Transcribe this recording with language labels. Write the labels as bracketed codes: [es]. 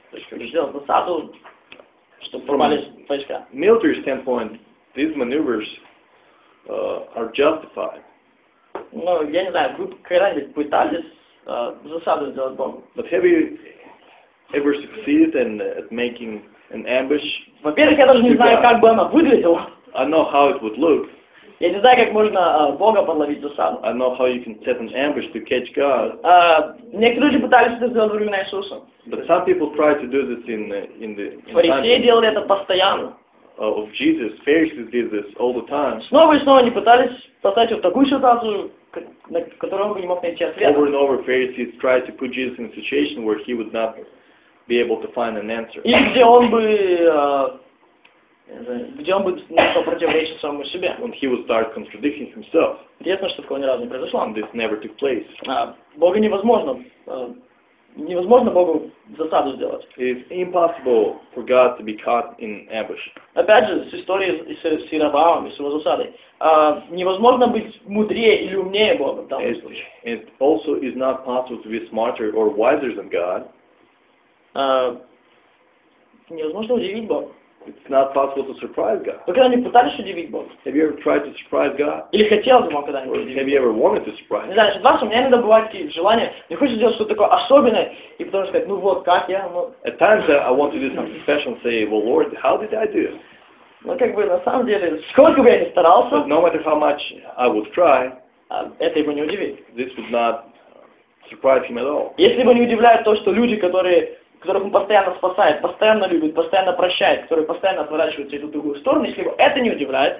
[ru] То есть, как бы сделать засаду, чтобы формались войска. [en] From military standpoint, these maneuvers are justified. [ru] Но я не знаю, вы когда-нибудь пытались засаду сделать Богу? [en] But have you ever succeeded in at making an ambush? [ru] Во-первых, я даже не знаю, как бы она выглядела. [en] I know how it would look. [ru] Я не знаю, как можно Бога подловить засаду. [en] I know how you can set an ambush to catch God. [ru] Некоторые люди пытались это сделать во времена Иисуса. [en] But some people try to do this in the. [ru] Фарисеи делали это постоянно. [en] Of Jesus, Pharisees did this all the time. [ru] Снова и снова они пытались поставить вот такую ситуацию, на которую он бы не мог найти ответ. [en] Over and over, Pharisees tried to put Jesus in a situation where he would not be able to find an answer. [ru] И где он бы Где он бы начал противоречить самому себе? [en] When he would start contradicting himself. [ru] Интересно, что такого ни разу не произошло. [en] And this never took place. [ru] Бога невозможно. Невозможно Богу засаду сделать. [en] It's impossible for God to be caught in ambush. [ru] Опять же, с историей с Иеробоамом и с его засадой. Невозможно быть мудрее или умнее Бога. [en] It also is not possible to be smarter or wiser than God. [ru] Невозможно удивить Бога. [en] It's not possible to surprise God. [ru] Вы когда-нибудь пытались удивить Бога? [en] Have you ever tried to surprise God? [ru] Или хотел бы Бога когда-нибудь удивить? [en] Have you ever wanted to surprise? [ru] Не знаю, что у меня иногда бывают такие желания. Мне хочется сделать что-то такое особенное, и потом сказать, ну вот, как я, ну... [en] At times I want to do something special and say, well, Lord, how did I do? [ru] Ну, как бы, на самом деле, сколько бы я ни старался... [en] But no matter how much I would try... [ru] Это его не удивит. [en] This would not surprise him at all. [ru] Если бы не удивляет то, что люди, которых он постоянно спасает, постоянно любит, постоянно прощает, которые постоянно отворачиваются и идут в другую сторону, если его это не удивляет.